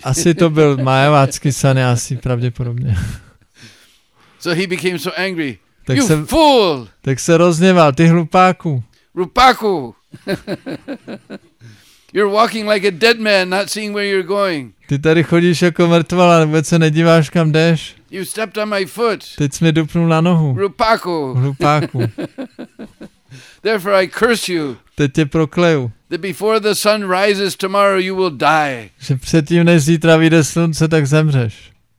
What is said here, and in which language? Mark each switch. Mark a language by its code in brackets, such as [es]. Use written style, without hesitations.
[cs] Asi to byl Mayavadský sannyasi pravděpodobně. [en] So he became so angry. You fool. [cs] Tak se rozněval, ty hlupáku. Rupaku. [en] You're walking like a dead man, not seeing where you're going. [cs] Ty tady chodíš jako mrtvola, vůbec se nedíváš kam jdeš. [en] You stepped on my foot. [cs] Teď jsi mě dupnul na nohu. Rupaku. Hlupáku. [en] Therefore I curse you. [cs] Teď tě prokleju. [en] That before the sun rises tomorrow you will die. [cs] Že předtím, než zítra vyjde slunce, tak zemřeš.